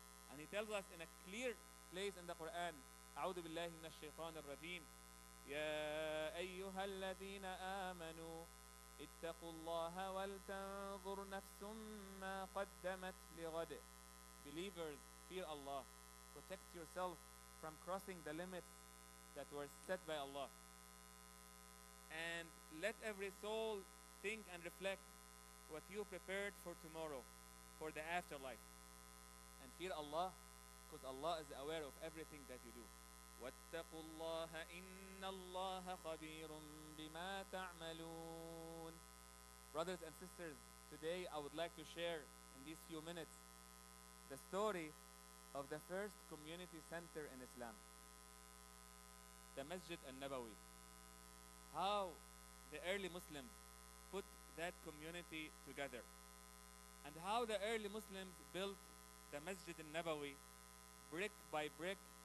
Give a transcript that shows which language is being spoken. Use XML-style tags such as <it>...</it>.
<en>And he tells us in a clear place in the Quran,</en> <ar>أعوذ بالله من الشيطان الرجيم يا أيها الذين آمنوا اتقوا الله ولتنظر نفس ما قدمت لغد.</ar> <en>Believers, fear Allah. Protect yourself from crossing the limits that were set by Allah. And let every soul think and reflect what you prepared for tomorrow, for the afterlife. And fear Allah, because Allah is aware of everything that you do.</en> <ar>واتقوا الله إن الله خبير بما تعملون.</ar> <en>Brothers and sisters, today I would like to share in these few minutes the story of the first community center in Islam, the Masjid al-Nabawi. How the early Muslims put that community together, and how the early Muslims built the Masjid al-Nabawi brick by brick,</en>